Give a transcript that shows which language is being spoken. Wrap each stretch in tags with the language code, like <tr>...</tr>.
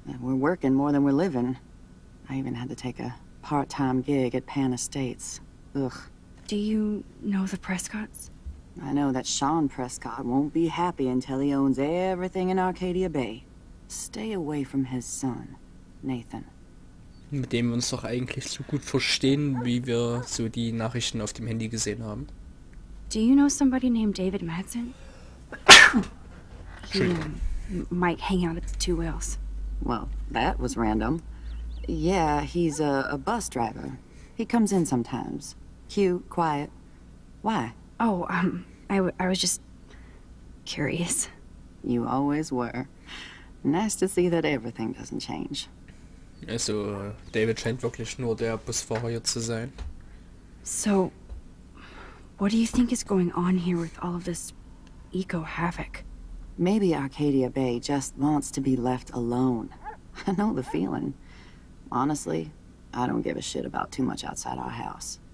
<en>We're working more than we're living. I even had to take a part-time gig at Pan Estates. Ugh. Do you know the Prescotts? I know that Sean Prescott won't be happy until he owns everything in Arcadia Bay. Stay away from his son, Nathan.</en> <de>Mit dem wir uns doch eigentlich so gut verstehen, wie wir so die Nachrichten auf dem Handy gesehen haben.</de> <en>Do you know somebody named David Madsen? he might hang out at the Two Wheels. Well, that was random. Yeah, he's a bus driver. He comes in sometimes. Cute, quiet. Why? Oh, I was just curious. You always were. Nice to see that everything doesn't change.</en> <de>Also, David scheint wirklich nur der Busfahrer hier zu sein.</de> <en>So, what do you think is going on here with all of this eco-havoc? Maybe Arcadia Bay just wants to be left alone. I know the feeling. Honestly, I don't give a shit about too much outside our house.</en>